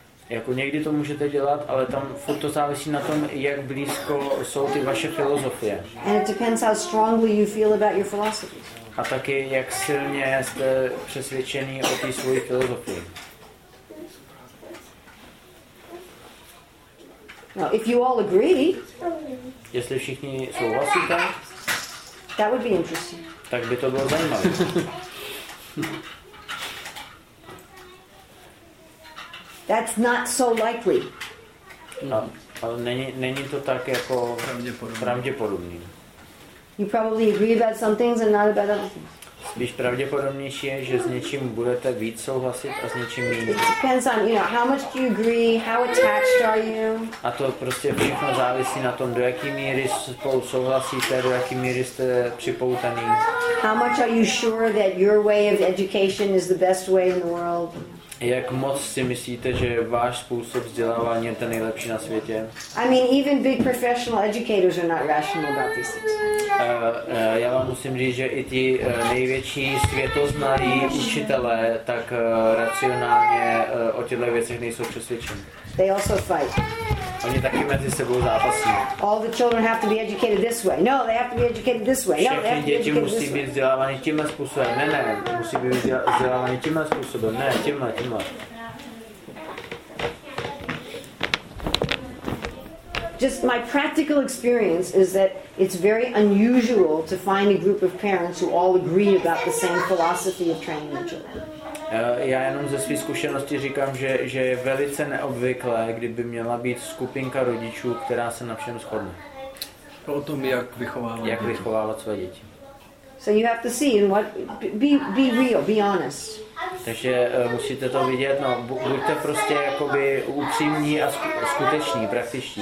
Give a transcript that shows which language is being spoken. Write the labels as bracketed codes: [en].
[cs] Jako někdy to můžete dělat, ale tam furt to závisí na tom, jak blízko jsou ty vaše filozofie. [en] And it depends how strongly you feel about your philosophy. [cs] A taky, jak silně jste přesvědčený o té svojí filozofii. [en] Now, if you all agree, [cs] jestli všichni souhlasíte, [en] that would be interesting. [cs] Tak by to bylo zajímavé. [en] That's not so likely. [cs] No, ale není to tak jako pravděpodobný. [en] You probably agree about some things and not about other things. [cs] Spíš pravděpodobnější je, že s něčím budete víc souhlasit a s něčím méně. [en] It depends on, you know, how much do you agree, how attached are you. [cs] A to prostě všechno závisí na tom, do jaké míry spolu souhlasíte, do jaké míry jste připoutaný. [en] How much are you sure that your way of education is the best way in the world? [cs] Jak moc si myslíte, že váš způsob vzdělávání je ten nejlepší na světě? [en] I mean, even big professional educators are not rational about these things. [cs] Já vám musím říct, že i ti největší světoznalí učitelé tak racionálně o těchto věcech nejsou přesvědčeni. [en] They also fight. [cs] Oni taky mezi sebou zápasí. [en] All the children have to be educated this way. No, they have to be educated this way. [cs] Všechny děti musí být vzdělávány tímhle způsobem. Ne, musí být vzdělávány tímhle způsobem. Ne, tímhle. [en] Just my practical experience is that it's very unusual to find a group of parents who all agree about the same philosophy of training their children. [cs] Já jenom ze své zkušenosti říkám, že je velice neobvyklé, kdyby měla být skupinka rodičů, která se na všem shodne. O tom, jak vychovávat. Jak vychovávat své děti. [en] So you have to see and what be real, be honest. [cs] Takže musíte to vidět, no buďte prostě jakoby upřímní a skuteční, praktičtí.